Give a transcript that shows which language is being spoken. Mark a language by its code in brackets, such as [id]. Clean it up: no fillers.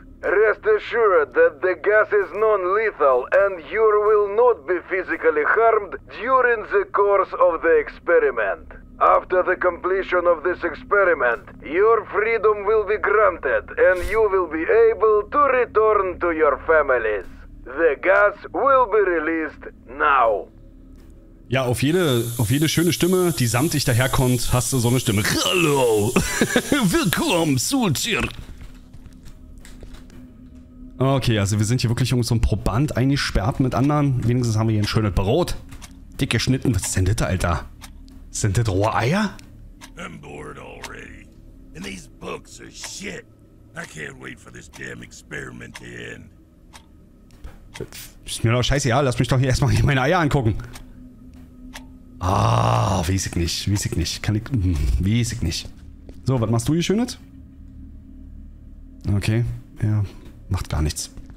[en] Rest assured that the gas is non-lethal and you will not be physically harmed during the course of the experiment. After the completion of this experiment, your freedom will be granted and you will be able to return to your families. The gas will be released now. [de] Ja, auf jede schöne Stimme, die samtig daherkommt, hast du so eine Stimme. Hallo! Willkommen, Soldier! Okay, also wir sind hier wirklich irgendwie so ein Proband eingesperrt mit anderen. Wenigstens haben wir hier ein schönes Brot. Dick geschnitten. Was ist denn das, Alter? Sind das rohe Eier? [en] I'm bored already. And these books are shit. I can't wait for this damn experiment to end. [de] Ist mir doch scheiße, ja. Lass mich doch hier erstmal hier meine Eier angucken. Ah, weiß ich nicht. Weiß ich nicht. Kann ich... Weiß ich nicht. So, was machst du hier, Schönes? Okay, ja. Macht gar nichts.